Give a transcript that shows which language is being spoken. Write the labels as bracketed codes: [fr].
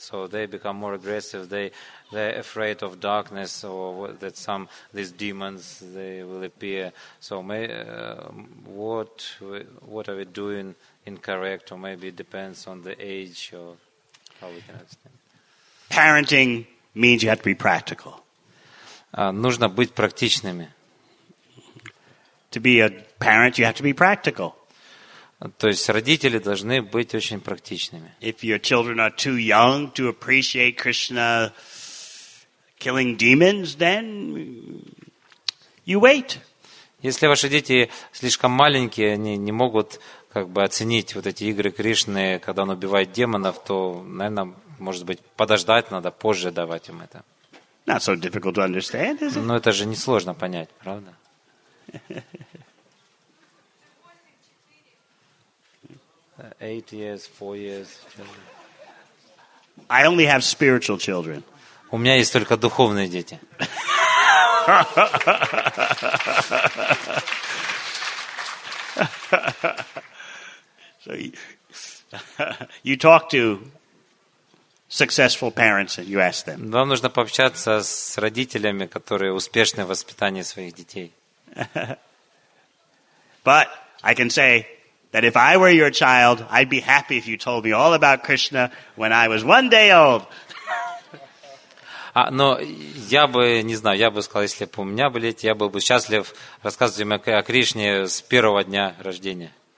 [en] So they become more aggressive, they're afraid of darkness or that some these demons, they will appear. So what are we doing incorrect, or maybe it depends on the age or how we can understand. Parenting means you have to be practical. [ru] Нужно быть практичными. [en] To be a parent, you have to be practical. [ru] То есть родители должны быть очень практичными. [en] If your children are too young to appreciate Krishna killing demons, then you wait. [ru] Если ваши дети слишком маленькие, они не могут как бы оценить вот эти игры Кришны, когда он убивает демонов, то, наверное, может быть, подождать надо, позже давать им это. [en] Not so difficult to understand, is it? [ru] Но это же несложно понять, правда? [en] Eight years, four years. I only have spiritual children. [ru] У меня есть только духовные дети. [en] So you talk to successful parents, and you ask them. [ru] Вам нужно пообщаться с родителями, которые успешны в воспитании своих детей. [en] But I can say that if I were your child, I'd be happy if you told me all about Krishna when I was one day old. [ru] Но я бы, не знаю, я бы сказал, если бы у меня были дети, я был бы счастлив рассказывать им о Кришне с первого дня рождения.